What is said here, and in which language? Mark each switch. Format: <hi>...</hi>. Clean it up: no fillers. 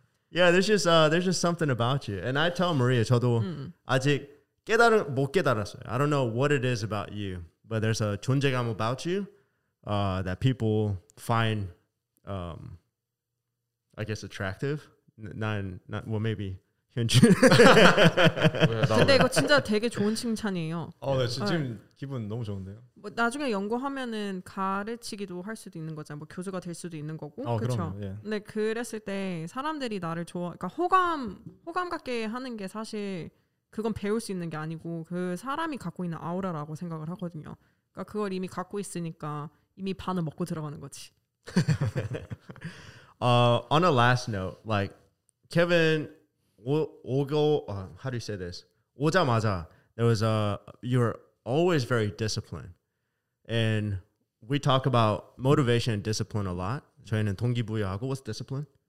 <en>Yeah, there's just something about you. And I tell Maria,</en> <ko>저도 아직 못 깨달았어요.</ko> <en>I don't know what it is about you, but there's a 존재감 about you that people find, I guess, attractive. 난 well maybe 현준.</en> <ko>근데 이거 진짜 되게 좋은 칭찬이에요. 네, 지금 기분 너무 좋은데요. 뭐 나중에 연구하면은 가르치기도 할 수도 있는 거잖아. 뭐 교수가 될 수도 있는 거고. 그렇죠. 근데 그랬을 때 사람들이 나를 좋아, 그러니까 호감 갖게 하는 게 사실 그건 배울 수 있는 게 아니고 그 사람이 갖고 있는 아우라라고 생각을 하거든요. 그러니까 그걸 이미 갖고 있으니까 이미 반을 먹고 들어가는 거지.</ko> <en>on a last note, like Kevin, 오고 how do you say this? 오자마자 there was you're always very disciplined, and we talk about motivation and discipline a lot.</en> <ko>저희는 동기부여하고</ko> <en>what's discipline?</en>